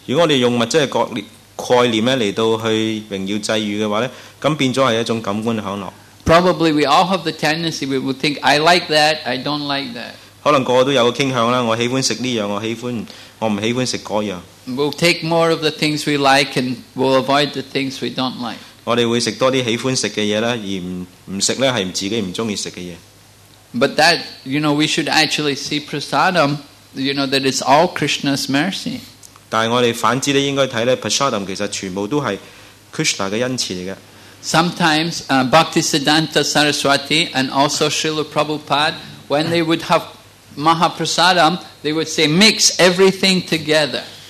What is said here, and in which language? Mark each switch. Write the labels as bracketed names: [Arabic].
[Cantonese] 如果我哋用物质嘅概念咧嚟到去荣耀祭遇嘅话咧，咁变咗系一种感官享乐。 [English] Probably we all have the tendency we would think I like that, I don't like that. [Cantonese] 可能个个都有个倾向啦，我喜欢食呢样，我唔喜欢食嗰样。 [English] We'll take more of the things we like and we'll avoid the things we don't like. [Cantonese] 我哋会食多啲喜欢食嘅嘢啦，而唔食咧系自己唔中意食嘅嘢。 [English] But that, you know, we should actually see prasadam, you know, that it's all Krishna's mercy. [Cantonese] 但我哋反之咧，应该睇咧 prasadam 其实全部都系 Krishna 嘅恩赐嚟嘅。 [English] Sometimes Bhaktisiddhanta Saraswati and also Srila Prabhupada, when they would have Mahaprasadam, they would say, mix everything together.